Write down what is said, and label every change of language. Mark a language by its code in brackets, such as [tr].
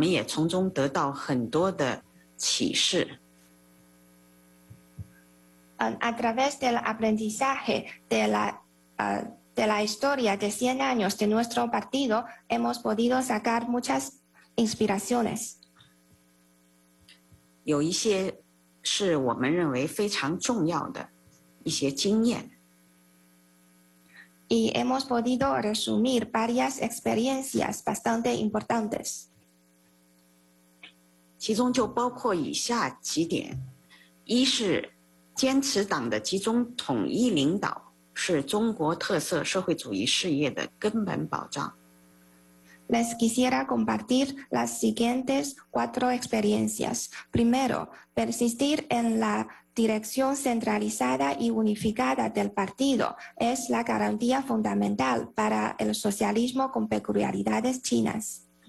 [zh] 学习总结我们党的百年历史，我们也从中得到很多的启示。 [es] A través del aprendizaje de la historia de 100 años de nuestro partido, hemos podido sacar muchas inspiraciones. [zh] 有一些是我们认为非常重要的一些经验。 [es] Y hemos podido resumir varias experiencias bastante importantes. [zh] 其中就包括以下几点，一是 坚持党的集中统一领导是中国特色社会主义事业的根本保障。 [es] Les quisiera compartir las siguientes cuatro experiencias. Primero, persistir en la dirección centralizada y unificada del partido es la garantía fundamental para el socialismo con peculiaridades chinas.